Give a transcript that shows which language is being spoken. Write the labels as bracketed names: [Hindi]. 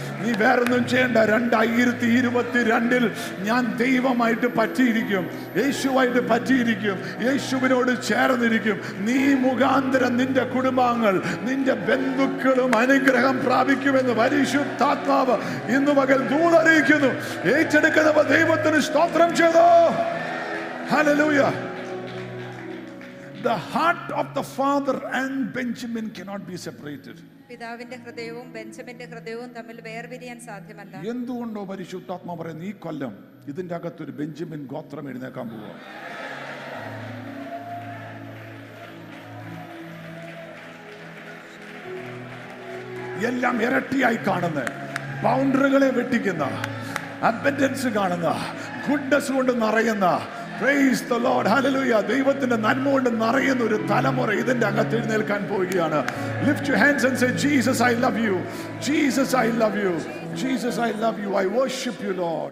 [Malayalam] നീ വേറൊന്നും ചെയ്യേണ്ട, 2022 ഞാൻ ദൈവമായിട്ട് പറ്റിയിരിക്കും, യേശുവായിട്ട് പറ്റിയിരിക്കും, യേശുവിനോട് ചേർന്നിരിക്കും. നീ മുഖാന്തരം നിന്റെ കുടുംബാംഗങ്ങൾ നിന്റെ ബന്ധുക്കളും അനുഗ്രഹം പ്രാപിക്കുമെന്ന് പരിശുദ്ധാത്മാവ് ഇന്ന് പകൽ ദൂത് അറിയിക്കുന്നു. ഏറ്റെടുക്കുന്നവ ദൈവത്തിന് സ്തോത്രം ചെയ്തോ. ഹല്ലേലൂയാ. [English] The heart of the father and Benjamin cannot be separated. [Malayalam] പിതാവിന്റെ ഹൃദയവും ബെഞ്ചമിന്റെ ഹൃദയവും തമ്മിൽ വേർപിരിയാൻ സാധ്യമല്ല. എന്തുകൊണ്ടോ പരിശുദ്ധാത്മാവ് പറയുന്നു, ഈ കൊല്ലം ഇതിന്റെ അകത്ത് ഒരു ബെഞ്ചമിൻ ഗോത്രം എഴുന്നേക്കാൻ പോവാ. എല്ലാം ഇരട്ടിയായി കാണുന്ന, ബൗണ്ടറികളെ വെട്ടിക്കുന്ന, അബൻഡൻസ് കാണുന്ന, ഗുഡ്നെസ് കൊണ്ട് നിറയുന്ന, [English] praise the Lord, hallelujah, [Malayalam] ദൈവത്തിന്റെ നന്മ കൊണ്ട് നിറയുന്ന ഒരു തലമുറ ഇതിന്റെ അകത്ത് എഴുന്നേൽക്കാൻ പോവുകയാണ്. [English] Lift your hands and say, Jesus, I love you, Jesus, I love you, Jesus, I love you, I worship you, Lord.